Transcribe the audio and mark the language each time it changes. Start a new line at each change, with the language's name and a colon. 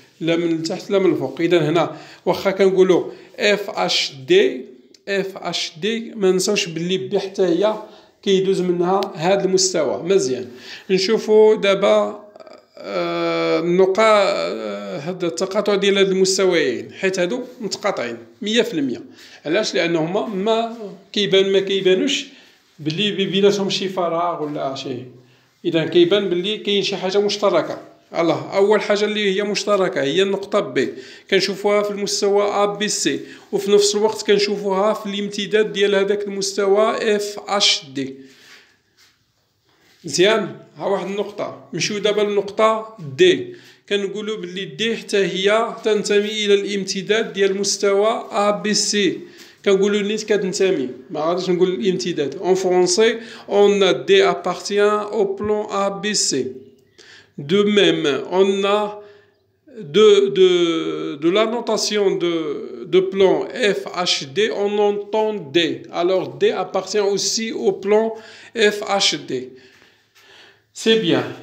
French: Là, de l'intérieur, là, de l'intérieur. Donc, ici, on va dire F, H, D.
Arabic: F, H, D, ما ننساوش باللي بحتى هي كيدوز منها هذا المستوى. مزيان، نشوفوا دابا النقاط هذا التقاطع ديال هاد المستويين، حيت هادو متقاطعين 100%. علاش؟ لأنهما ما كيبان ما كيبانوش باللي بيناتهم شي فراغ ولا شي، إذا كيبان باللي كاين شي حاجة مشتركة. الله، اول حاجه اللي هي مشتركه هي النقطه بي، كنشوفوها في المستوى ا بي سي، وفي نفس الوقت كنشوفوها في الامتداد ديال هذاك المستوى اف اش دي. مزيان، ها واحد النقطه. نمشيو دابا للنقطه دي، كنقولوا باللي دي حتى هي تنتمي الى الامتداد ديال المستوى ا بي سي. كنقولوا نيت كتنتمي، ما غاديش نقول الامتداد.
French: اون فرونسي اون دي ابارتيان او بلون ا بي سي. De même, on a de la notation de plan FHD, on entend D. Alors D appartient aussi au plan FHD. C'est bien.